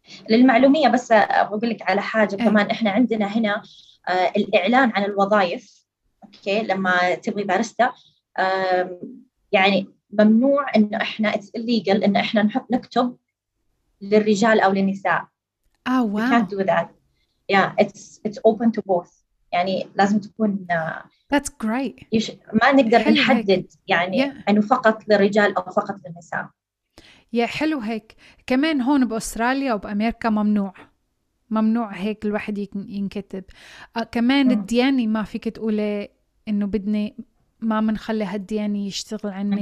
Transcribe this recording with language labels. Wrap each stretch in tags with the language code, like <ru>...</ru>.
<ar>للمعلومية بس أقول لك على حاجة كمان. إحنا عندنا هنا الإعلان عن الوظائف أوكي لما تبغي بارستا يعني ممنوع إنه إحنا</ar> <en>it's illegal</en> <ar>إنه إحنا نحط نكتب للرجال أو للنساء.</ar> <en>Oh, wow. You can't do that. Yeah, it's open to both.</en> <ar>يعني لازم تكون</ar> <en>That's great.</en> <ar>ما نقدر نحدد يعني أنه فقط للرجال أو فقط للنساء. يا حلو هيك. كمان هون بأستراليا وبأمريكا ممنوع. ممنوع هيك الواحد ينكتب. كمان الدياني ما فيك تقولي أنه بدني ما منخلي هالدياني يشتغل عني.</ar>